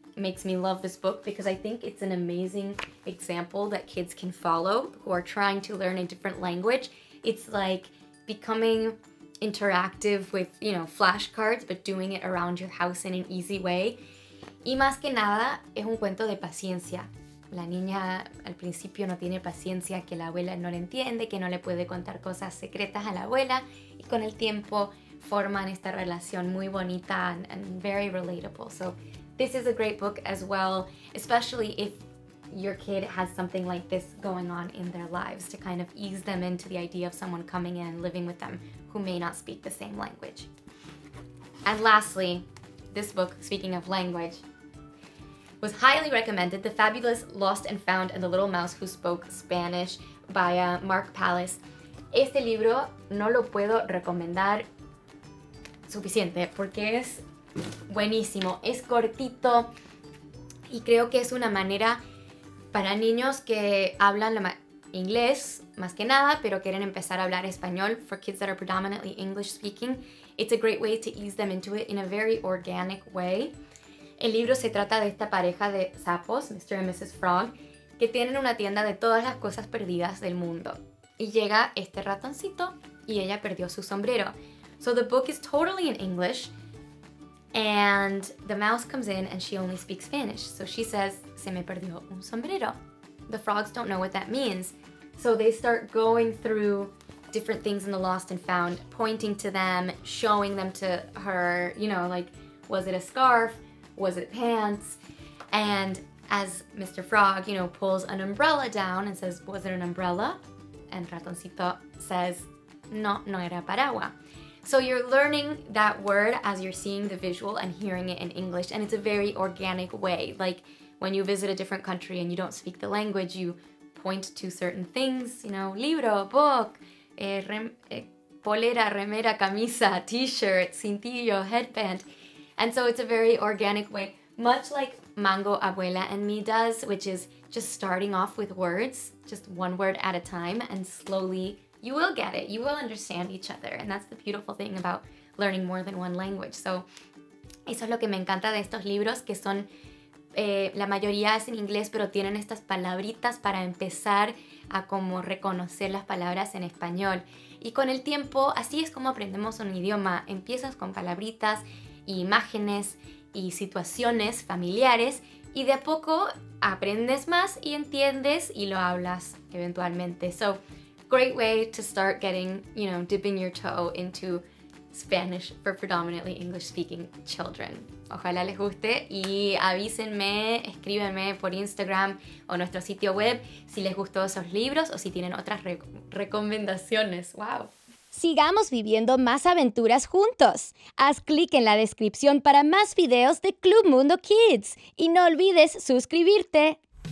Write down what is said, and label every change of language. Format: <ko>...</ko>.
<en>makes me love this book because I think it's an amazing example that kids can follow who are trying to learn a different language. It's like becoming interactive with, you know, flashcards, but doing it around your house in an easy way.</en> <es>Y más que nada, es un cuento de paciencia. La niña al principio no tiene paciencia, que la abuela no le entiende, que no le puede contar cosas secretas a la abuela, y con el tiempo forman esta relación muy bonita</es> <en>and very relatable. So this is a great book as well, especially if your kid has something like this going on in their lives, to kind of ease them into the idea of someone coming in and living with them who may not speak the same language. And lastly, this book, speaking of language, was highly recommended, The Fabulous Lost and Found and the Little Mouse Who Spoke Spanish by Mark Palace.</en> <es>Este libro no lo puedo recomendar suficiente porque es buenísimo. Es cortito y creo que es una manera para niños que hablan inglés más que nada, pero quieren empezar a hablar español.</es> <en>For kids that are predominantly English speaking, it's a great way to ease them into it in a very organic way.</en> <es>El libro se trata de esta pareja de sapos, Mr. and Mrs. Frog, que tienen una tienda de todas las cosas perdidas del mundo. Y llega este ratoncito y ella perdió su sombrero.</es> <en>So the book is totally in English and the mouse comes in and she only speaks Spanish. So she says,</en> <es>se me perdió un sombrero.</es> <en>The frogs don't know what that means. So they start going through different things in the lost and found, pointing to them, showing them to her, you know, like, was it a scarf? Was it pants? And as Mr. Frog, you know, pulls an umbrella down and says, was it an umbrella? And</en> <es>Ratoncito</es> <en>says,</en> <es>no, no era paraguas.</es> <en>So you're learning that word as you're seeing the visual and hearing it in English, and it's a very organic way. Like when you visit a different country and you don't speak the language, you point to certain things, you know, libro, book,</en> <es>polera, remera, camisa,</es> <en>t-shirt, cintillo, headband. And so it's a very organic way, much like Mango Abuela and Me does, which is just starting off with words, just one word at a time, and slowly you will get it. You will understand each other. And that's the beautiful thing about learning more than one language.</en> <es>So eso es lo que me encanta de estos libros, que son, la mayoría es en inglés, pero tienen estas palabritas para empezar a como reconocer las palabras en español. Y con el tiempo, así es como aprendemos un idioma. Empiezas con palabritas, y imágenes y situaciones familiares, y de a poco aprendes más y entiendes y lo hablas eventualmente.</es> <en>So, great way to start getting, you know, dipping your toe into Spanish for predominantly English speaking children.</en> <es>Ojalá les guste y avísenme, escríbenme por Instagram o nuestro sitio web si les gustó esos libros o si tienen otras recomendaciones.</es> <en>Wow.</en> <es>Sigamos viviendo más aventuras juntos. Haz clic en la descripción para más videos de Club Mundo Kids. Y no olvides suscribirte.</es>